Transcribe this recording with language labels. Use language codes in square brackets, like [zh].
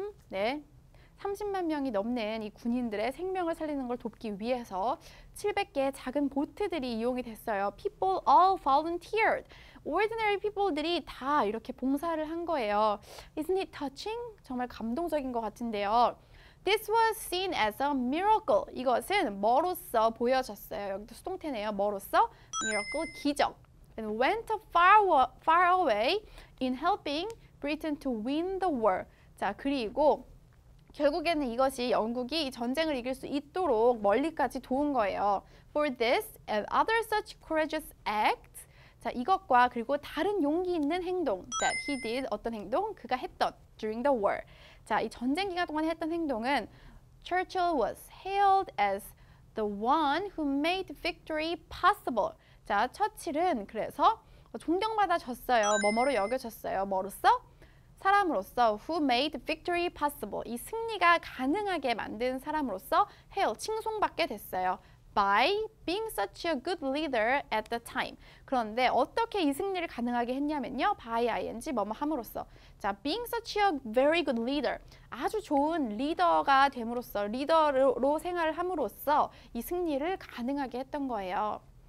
[ko] 30만 명이 넘는 이 군인들의 생명을 살리는 걸 돕기 위해서 700개의 작은 보트들이 이용이 됐어요. [en] People all volunteered. Ordinary people들이 [ko] 다 이렇게 봉사를 한 거예요. [en] Isn't it touching? [ko] 정말 감동적인 것 같은데요. [en] This was seen as a miracle. [ko] 이것은 뭐로써 보여졌어요. 여기도 수동태네요. 뭐로써? Miracle, 기적. [en] And went far away in helping Britain to win the war. [ko] 자, 그리고 결국에는 이것이 영국이 전쟁을 이길 수 있도록 멀리까지 도운 거예요. [en] For this and other such courageous acts. [ko] 자, 이것과 그리고 다른 용기 있는 행동. [en] That he did, [ko] 어떤 행동? 그가 했던. [en] During the war. [ko] 자, 이 전쟁 기간 동안 했던 행동은 [en] Churchill was hailed as the one who made victory possible. [ko] 자, 처칠은 그래서 존경받아졌어요. 뭐뭐로 여겨졌어요. 뭐로써? 사람으로서, [en] who made victory possible, [ko] 이 승리가 가능하게 만든 사람으로서 hail, 칭송받게 됐어요. [en] By being such a good leader at the time. [ko] 그런데 어떻게 이 승리를 가능하게 했냐면요. By ing, 뭐뭐 함으로써. 자, [en] being such a very good leader, [ko] 아주 좋은 리더가 됨으로써, 리더로 생활을 함으로써 이 승리를 가능하게 했던 거예요.